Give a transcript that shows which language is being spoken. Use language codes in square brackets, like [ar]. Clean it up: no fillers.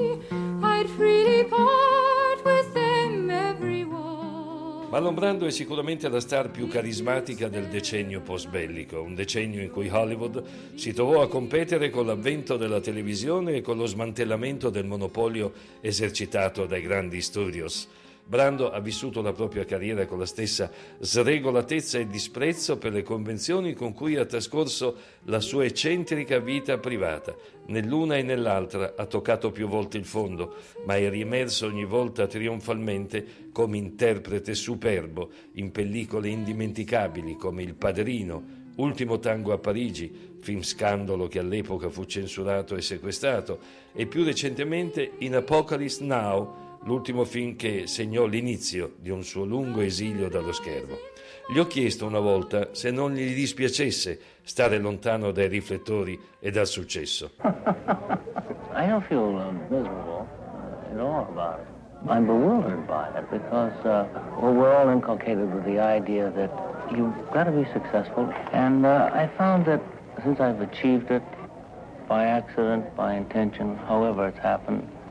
[en] I'd freely part with them everyone. [it] Marlon Brando è sicuramente la star più carismatica del decennio postbellico, un decennio in cui Hollywood si trovò a competere con l'avvento della televisione e con lo smantellamento del monopolio esercitato dai grandi studios. Brando ha vissuto la propria carriera con la stessa sregolatezza e disprezzo per le convenzioni con cui ha trascorso la sua eccentrica vita privata. Nell'una e nell'altra ha toccato più volte il fondo, ma è riemerso ogni volta trionfalmente come interprete superbo in pellicole indimenticabili come Il Padrino, Ultimo Tango a Parigi, film scandalo che all'epoca fu censurato e sequestrato, e più recentemente in Apocalypse Now, l'ultimo film che segnò l'inizio di un suo lungo esilio dallo schermo. Gli ho chiesto una volta se non gli dispiacesse stare lontano dai riflettori e dal successo. [en] I don't feel miserable at all about it. I'm bewildered by it because we're all inculcated with the idea that you've got to be successful. And I found that since I've achieved it by accident, by intention, however it's happened,